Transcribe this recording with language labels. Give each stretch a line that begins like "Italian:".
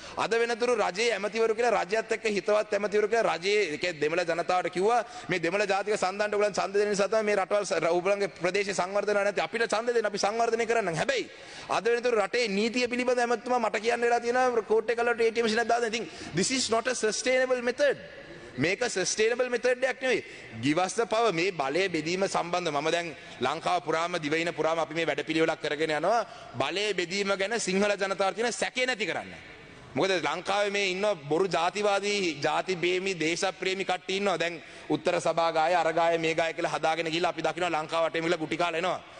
Sinhala: අද වෙනතුරු රජයේ ඇමතිවරු කියලා රජයත් එක්ක හිතවත් ඇමතිවරු කියලා රජයේ ඒකේ දෙමළ ජනතාවට කිව්වා මේ දෙමළ ජාතික සම්දන්ට උගලන් ඡන්ද දෙන නිසා තමයි මේ රටවල් උගලන්ගේ ප්‍රදේශ සංවර්ධන නැති අපිට ඡන්ද දෙන්න අපි සංවර්ධනය කරන්න. හැබැයි අද වෙනතුරු රටේ නීතිය පිළිබඳ ඇමතිතුමා මට කියන්න වෙලා තියෙනවා කෝට් එකකට ATM machine එකක් දාන්න. ඉතින්
English: this is not a sustainable method. Make a sustainable method
Sinhala: එකක් නෙවෙයි.
English: Give us the power.
Sinhala: මේ බලය බෙදීම සම්බන්ධව මම දැන් ලංකාව පුරාම දිවයින පුරාම අපි මේ වැඩපිළිවෙලක් කරගෙන යනවා. බලය බෙදීම ගැන සිංහල ජනතාවට තියෙන සැකේ නැති කරන්න. මොකද ලංකාවේ මේ ඉන්න බොරු ජාතිවාදී ජාති ප්‍රේමී දේශප්‍රේමී කට්ටි ඉන්නවා. දැන් උත්තර සභා ගාය අර ගාය මේ ගාය කියලා හදාගෙන ගිහිල්ලා අපි දකිනවා ලංකාව වටේම ගිහිල්ලා ගුටි කාලා එනවා.